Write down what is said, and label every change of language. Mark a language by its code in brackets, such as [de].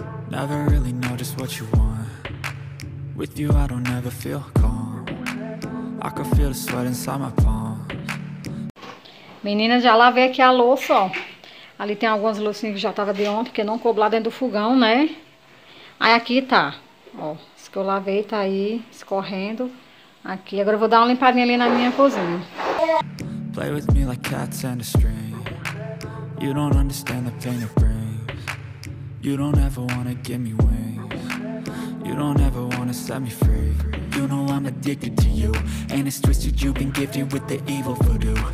[en] Never really know just what you want. With you I don't ever feel calm. I can feel the sweat inside my palms. [pt] Meninas, já lavei aqui a louça, ó. Ali tem algumas loucinhas que já tava de ontem, porque não coube lá dentro do fogão, né? Aí aqui tá, ó. Isso que eu lavei tá aí escorrendo. Aqui, agora eu vou dar uma limpadinha ali na minha cozinha. [en] Play with me like cats and a string. You don't understand the pain of brain. You don't ever wanna give me wings. You don't ever wanna set me free. You know I'm addicted to you. And it's twisted, you've been gifted with the evil voodoo.